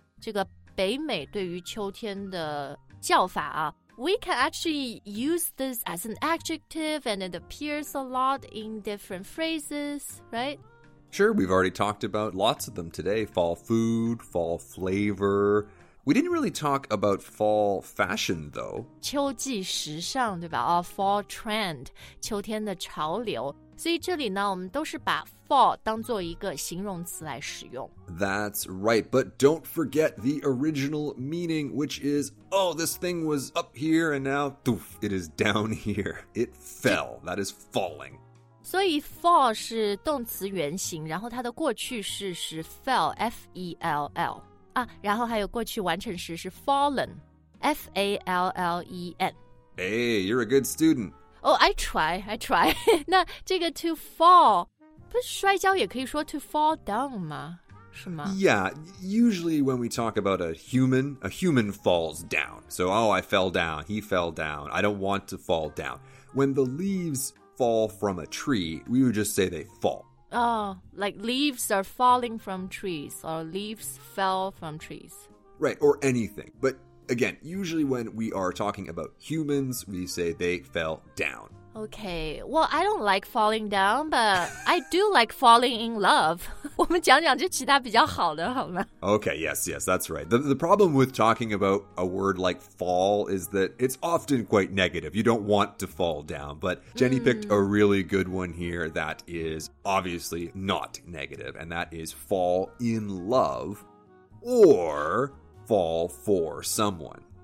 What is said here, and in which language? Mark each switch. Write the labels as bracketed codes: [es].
[zh] 这个北美对于秋天的叫法啊 [en] we can actually use this as an adjective and it appears a lot in different phrases, right? Sure, we've already talked about lots of them today. Fall food, fall flavor. We didn't really talk about fall fashion, though. [zh] 秋季时尚,对吧? [en] Fall trend, [zh] 秋天的潮流。所以这里呢我们都是把 fall 当作一个形容词来使用 [en] That's right, but don't forget the original meaning Which is, oh, this thing was up here and now, doof, it is down here It fell, that is falling [zh] 所以 fall 是动词原形然后它的过去式是 fell, F-E-L-L 啊，然后还有过去完成时是 fallen, F-A-L-L-E-N [en] Hey, you're a good student Oh, I try. [zh] 那这个 [en] to fall, [zh] 不是摔跤也可以说 to fall down 吗？是吗？ [en] Yeah, usually when we talk about a human falls down. So, oh, I fell down, he fell down, I don't want to fall down. When the leaves fall from a tree, we would just say they fall. Oh, like leaves are falling from trees, or leaves fell from trees. Right, or anything. But again, usually when we are talking about humans, we say they fell down. Okay, well, I don't like falling down, but I do like falling in love. [zh] 我们讲讲就其他比较好的好吗？ [en] Okay, yes, yes, that's right. The problem with talking about a word like fall is that it's often quite negative. You don't want to fall down, but Jenny picked a really good one here that is obviously not negative, and that is fall in love or fall for someone.